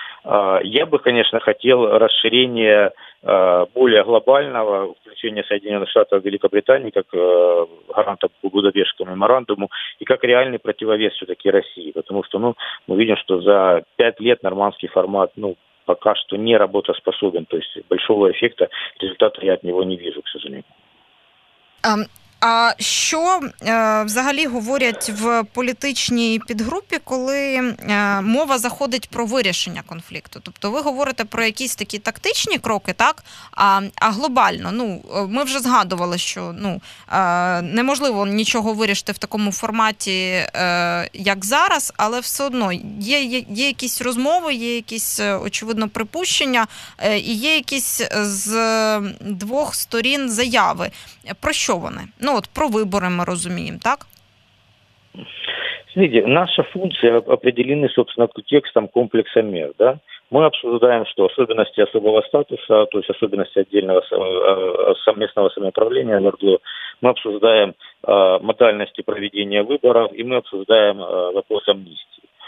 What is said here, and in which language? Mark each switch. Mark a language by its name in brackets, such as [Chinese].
[Russian] Я бы, конечно, хотел расширения более глобального, включения Соединенных Штатов и Великобритании как гаранта по Будапештскому меморандуму и как реальный противовес все-таки России, потому что, ну, мы видим, что за 5 лет нормандский формат, ну, пока что не работоспособен, то есть большого эффекта, результата я от него не вижу, к сожалению. [Ukrainian] А що взагалі говорять в політичній підгрупі, коли мова заходить про вирішення конфлікту? Тобто ви говорите про якісь такі тактичні кроки, так? А глобально, ну, ми вже згадували, що, ну, неможливо нічого вирішити в такому форматі, як зараз, але все одно є якісь розмови, є якісь, очевидно, припущення, і є якісь з двох сторін заяви. Про що вони? [Russian] Ну, про выборы мы разумеем, так? Смотрите, наши функции определены, собственно, текстом комплекса мер, да? Мы обсуждаем, что особенности особого статуса, то есть особенности отдельного совместного самоуправления, ОРДЛО, мы обсуждаем модальности проведения выборов, и мы обсуждаем вопрос амнистии.